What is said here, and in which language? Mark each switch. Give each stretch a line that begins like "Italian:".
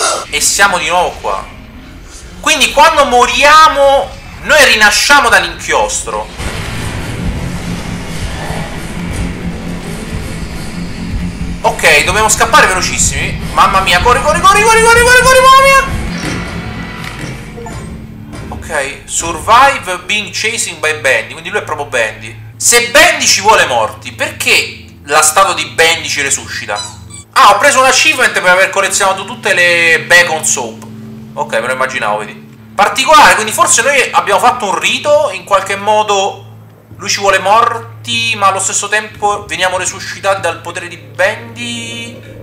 Italian: E siamo di nuovo qua. Quindi quando moriamo, noi rinasciamo dall'inchiostro. Ok, dobbiamo scappare velocissimi. Mamma mia, corri, corri, corri, corri, corri, corri, corri, mamma mia.
English: Ok, survive being chasing by Bendy.
Italian: Quindi lui è proprio Bendy. Se Bendy ci vuole morti, perché la statua di Bendy ci resuscita? Ah, ho preso un achievement per aver collezionato tutte le bacon soap. Ok, me lo immaginavo, vedi. Particolare, quindi forse noi abbiamo fatto un rito. In qualche modo lui ci vuole morti, ma allo stesso tempo veniamo resuscitati dal potere di Bendy.